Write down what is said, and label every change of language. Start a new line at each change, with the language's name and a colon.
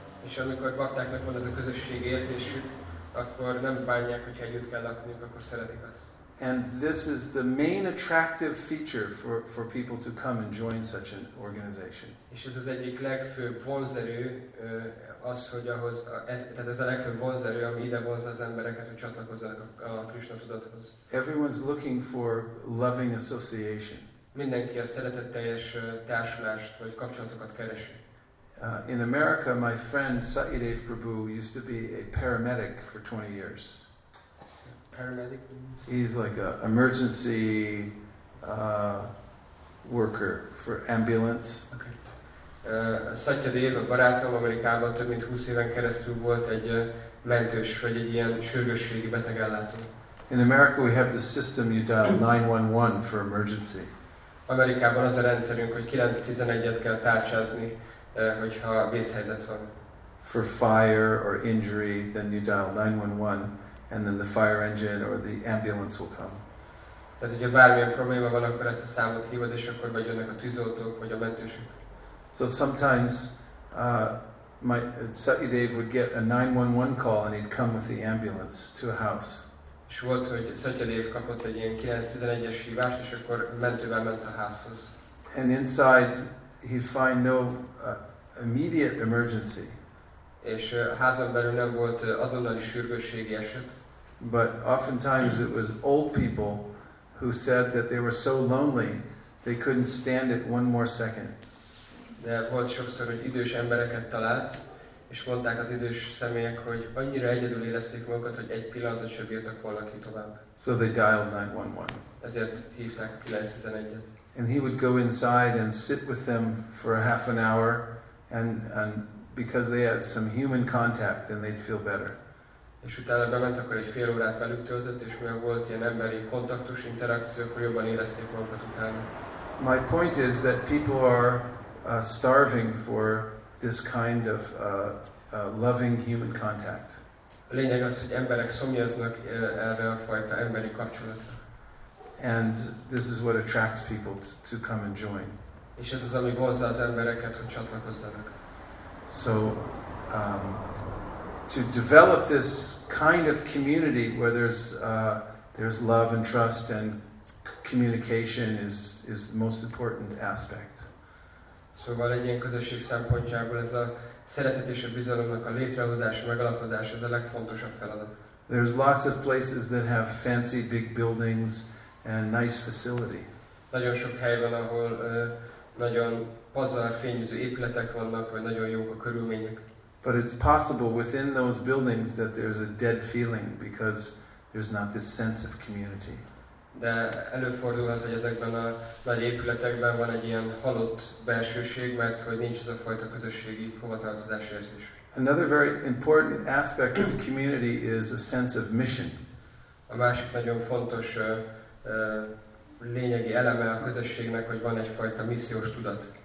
Hungarian: És amikor baktáknak van ez a közösségi érzésük, akkor nem bánják, hogy együtt kell lakniuk, akkor szeretik azt.
English: And this is the main attractive feature for people to come and join such an organization.
Hungarian: És ez az egyik legfőbb vonzerő, az, hogy ahhoz, tehát ez a legfőbb vonzerő, ami ide vonz az embereket, hogy csatlakozzanak a Krisna tudathoz.
English: Everyone's looking for loving association.
Hungarian: Mindenki a szeretetteljes társulást vagy kapcsolatokat keresi.
English: In America, my friend Satyadev Prabhu used to be a paramedic for 20 years. Paramedic? He's like an emergency worker for ambulance. Okay.
Hungarian: Satyadev, a barátom Amerikában több mint 20 éven keresztül volt egy mentős, vagy egy ilyen sürgősségi betegellátó.
English: In America, we have this system, you dial 911 for emergency.
Hungarian: Amerikában az a rendszerünk, hogy 911-et kell tárcsázni, hogyha vészhelyzet van.
English: For fire or injury, then you dial 911, and then the fire engine or the ambulance will come.
Hungarian: Tehát, hogyha bármilyen probléma van, akkor ezt a számot hívod, és akkor vagy jönnek a tűzoltók, vagy a mentősök.
English: So sometimes Satyadev would get a 911 call, and he'd come with the ambulance to a house.
Hungarian: És volt, hogy Satyadev kapott egy ilyen 911-es hívást, és akkor mentővel ment a házhoz.
English: And inside, he'd find no immediate emergency.
Hungarian: És házon belül nem volt azonnali sürgősségi eset.
English: But oftentimes it was old people who said that they were so lonely they couldn't stand it one more second.
Hungarian: De volt sokszor, hogy idős embereket talált, És mondták az idős személyek, hogy annyira egyedül érezték magukat, hogy egy pillanatot sem bírtak volna ki tovább.
English: So they dialed 911.
Hungarian: Ezért hívták 911-et.
English: And he would go inside and sit with them for a half an hour, and because they had some human contact, then they'd feel better.
Hungarian: És utána bement, akkor egy fél órát velük töltött, és mivel volt ilyen emberi kontaktus, interakció, akkor jobban érezték magukat utána.
English: My point is that people are starving for this kind of loving human contact.
Hungarian: A lényeg az, hogy emberek szomjaznak erre a fajta emberi kapcsolatra.
English: And this is what attracts people to come and join.
Hungarian: És ez az, ami vonzza az embereket, hogy csatlakozzanak.
English: So, to develop this kind of community where there's love and trust and communication is the most important aspect.
Hungarian: Szóval egy ilyen közösség szempontjából ez a szeretet és a bizalomnak a létrehozása, megalapozása, ez a legfontosabb feladat.
English: There's lots of places that have fancy big buildings and nice facility.
Hungarian: Nagyon sok hely van, ahol nagyon pazar, fényűző épületek vannak, vagy nagyon jók a körülmények.
English: But it's possible within those buildings that there's a dead feeling because there's not this sense of community.
Hungarian: De előfordulhat, hogy ezekben a nagy épületekben van egy ilyen halott belsőség, mert hogy nincs ez a fajta közösségi hovatartozás érzés.
English: Another very important aspect of community is a sense of mission.
Hungarian: A másik nagyon fontos lényegi eleme a közösségnek, hogy van egyfajta missziós tudat.